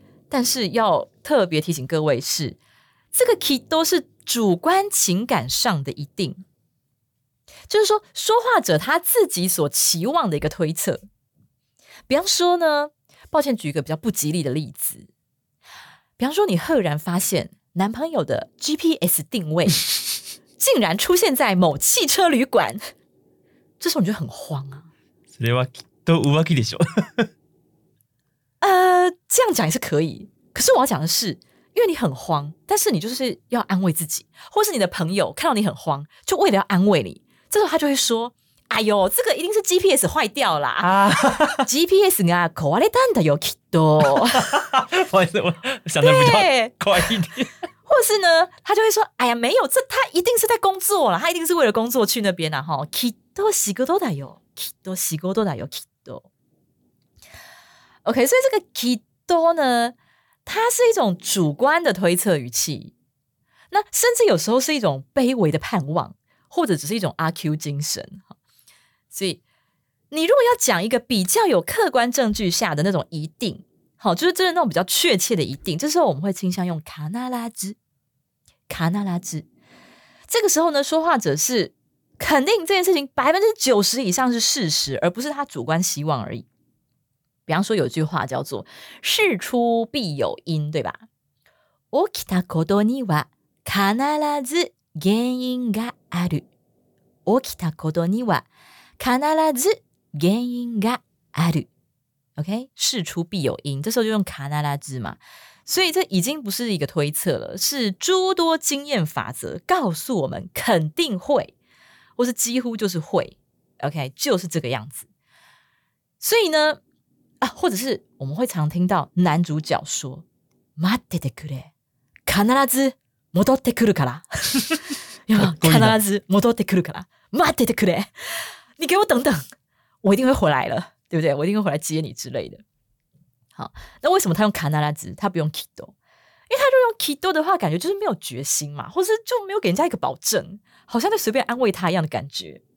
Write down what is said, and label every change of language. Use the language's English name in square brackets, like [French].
[Chinese] 但是要特别提醒各位是，这个きっと是主观情感上的一定，就是说说话者他自己所期望的一个推测。比方说呢，抱歉举一个比较不吉利的例子，比方说你赫然发现男朋友的 GPS 定位竟然出现在某汽车旅馆，这时候你就很慌啊。 [Japanese] それはきっと浮気でしょ。 [Chinese] 这样讲也是可以，可是我要讲的是，因为你很慌，但是你就是要安慰自己，或是你的朋友看到你很慌，就为了要安慰你，这时候他就会说：“哎呦，这个一定是 GPS 坏掉了啊！GPS 啊， [Japanese] 壊れたんだよきっと。” [Chinese] 不好意思，我想的比较快一点。或是呢，他就会说：“哎呀，没有，这他一定是在工作了，他一定是为了工作去那边的哈。” [Japanese] きっと仕事だよ、きっと仕事だよ、きっと。 [Chinese] OK， 所以这个きっと呢，它是一种主观的推测语气，那甚至有时候是一种卑微的盼望，或者只是一种阿 Q 精神。所以你如果要讲一个比较有客观证据下的那种一定，好，就是真的那种比较确切的一定，这时候我们会倾向用卡纳拉兹，卡纳拉兹。这个时候呢，说话者是肯定这件事情 90% 以上是事实，而不是他主观希望而已。比方说有句话叫做事出必有因，对吧？ [Japanese] 起きたことには必ず原因がある。起きたことには必ず原因がある。 [Chinese] OK， 事出必有因，这时候就用必ず嘛。所以这已经不是一个推测了，是诸多经验法则告诉我们肯定会，或是几乎就是会。 OK， 就是这个样子。所以呢，啊，或者是我们会常听到男主角说 [Japanese] 待っててくれ、必ず戻ってくるから。有没有？必ず戻ってくるから。待っててくれ、 [Chinese] 你给我等等，我一定会回来了，对不对？我一定会回来接你之类的。好，那为什么他用必ず，他不用きっと？因为他就用きっと的话，感觉就是没有决心嘛，或是就没有给人家一个保证，好像在随便安慰他一样的感觉。